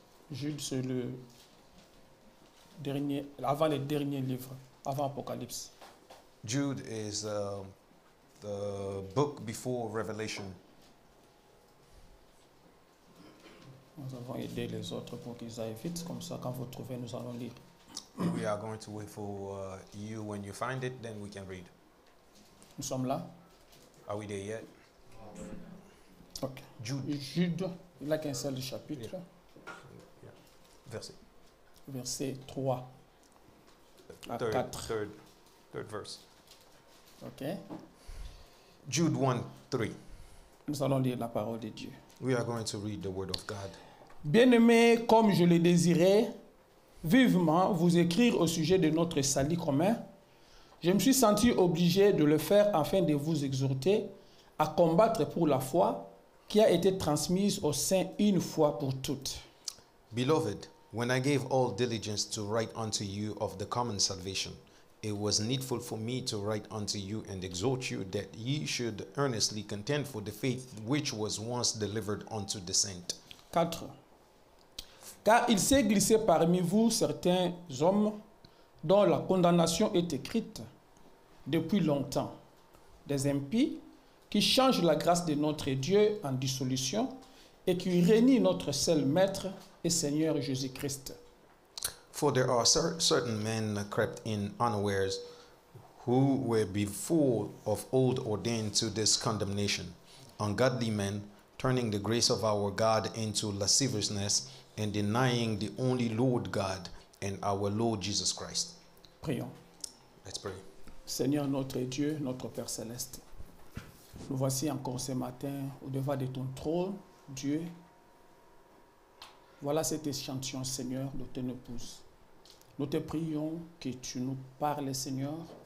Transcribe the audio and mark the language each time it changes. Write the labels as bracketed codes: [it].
[fr] Jude, c'est le dernier, avant le dernier livre, avant Apocalypse. [en] Jude is the book before Revelation. [fr] Nous avons aidé les autres pour qu'ils aillent vite, comme ça quand vous trouvez, nous allons lire. [en] We are going to wait for you when you find it, then we can read. [fr] Nous sommes là. [en] Are we there yet? Okay. Jude, [fr] il n'a qu'un seul chapitre. [en] Yeah. [fr] Verset 3 à 4. [en] Third verse. Okay. Jude 1:3. [fr] Nous allons lire la parole de Dieu. [en] We are going to read the word of God. [fr] Bien-aimés, comme je le désirais vivement vous écrire au sujet de notre salut commun, je me suis senti obligé de le faire afin de vous exhorter à combattre pour la foi qui a été transmise aux saints une fois pour toutes. [en] Beloved, when I gave all diligence to write unto you of the common salvation, it was needful for me to write unto you and exhort you that ye should earnestly contend for the faith which was once delivered unto the saints. 4. [fr] Car il s'est glissé parmi vous certains hommes dont la condamnation est écrite depuis longtemps, des impies qui changent la grâce de notre Dieu en dissolution et qui renient notre seul maître et Seigneur Jésus-Christ. [en] For there are certain men crept in unawares, who were before of old ordained to this condemnation, ungodly men, turning the grace of our God into lasciviousness, and denying the only Lord God and our Lord Jesus Christ. [fr] Prions. [en] Let's pray. [fr] Seigneur notre Dieu, notre Père céleste, nous voici encore ce matin au devant de ton trône, Dieu. Voilà cet échantillon, Seigneur, de tes épouses. Nous te prions que tu nous parles, Seigneur.